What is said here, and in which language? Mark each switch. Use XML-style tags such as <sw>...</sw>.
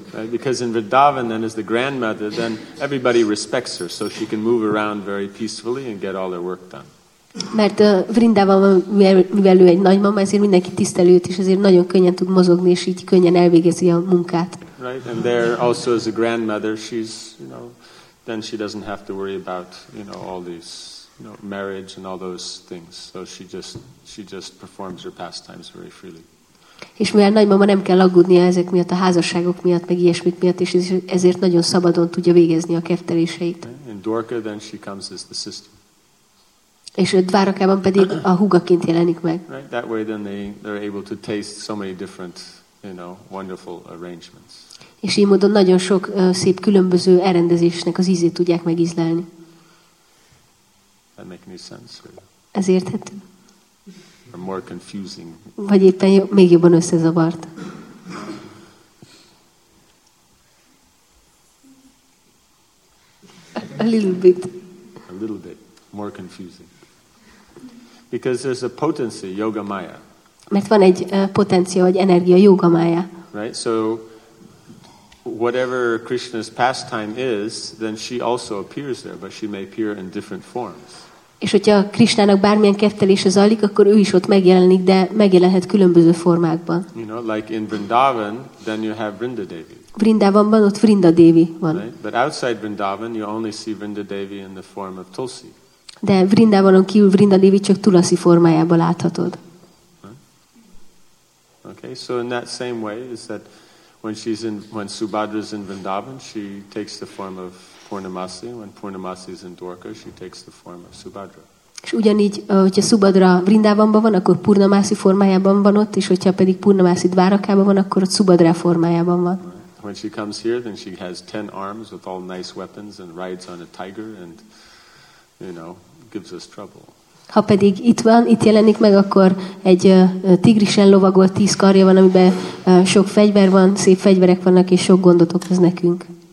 <en>Because in Vrindavan, then, as the grandmother, then everybody respects her, so she can move around very peacefully and get all her work done.</en> <hu>Mert Vrindavan, mivel ő egy nagymama, ezért mindenki tiszteli őt, és ezért nagyon könnyen tud mozogni, és így könnyen elvégezi a munkát.</hu> <en>Right, and there also as a grandmother, she's, you know, then she doesn't have to worry about, you know, all these, you know, marriage and all those things. So she just performs her pastimes very freely.</en> <hu>És mivel nagymama nem kell aggódnia ezek miatt, a házasságok miatt, meg ilyesmik miatt, és ezért nagyon szabadon tudja végezni a kefteléseit.</hu> <en>And Dwarka, then she comes as the sister.</en> <hu>És a Dwarakában pedig a húgaként jelenik meg.</hu> <en>Right, that way then they're able to taste so many different, you know, wonderful arrangements.</en> <hu>És így módon nagyon sok szép különböző elrendezésnek az ízét tudják megízlelni.</hu> <en>That make any sense for you?</en> <hu>Ez érthető?</hu> <en>Or more confusing.</en> <hu>Vagy éppen még jobban összezavart.</hu> <en>A little bit more confusing. Because there's a potency, yoga maya.</en> <hu>Mert van egy potencia, vagy energia, yoga maya.</hu> <en>Right? So whatever Krishna's pastime is, then she also appears there, but she may appear in different forms.</en> <hu>És hogyha Krisnának bármilyen keftelése zajlik, akkor ő is ott megjelenik, de megjelenhet különböző formákban.</hu> <en>You know, like in Vrindavan, then you have Vrinda Devi.</en> <hu>Vrindavanban ott Vrinda Devi van.</hu> <en>Right? But outside Vrindavan, you only see Vrinda Devi in the form of Tulsi.</en> <hu>De Vrindavanon kívül Vrinda Devi csak Tulasi formájában láthatod. Huh?</hu> <en>Okay, so in that same way is that when Subhadra's in Vrindavan, she takes the form of Purnamasi, when Purnamasi is in Dwarka, she takes the form of Subhadra.</en> <hu>És ugyanígy, hogyha Subhadra Vrindavanban van, akkor Purnamasi formájában van ott, és hogyha pedig Purnamasi Dvárakában van, akkor ott Subhadra formájában van.</hu> <en>When she comes here, then she has 10 arms with all nice weapons and rides on a tiger and, you know, gives us trouble.</en> <hu>Ha pedig itt van, itt jelenik meg, akkor egy tigrisen lovagolt 10 karja van, amiben sok fegyver van, szép fegyverek vannak, és sok gondot okoz nekünk.</hu>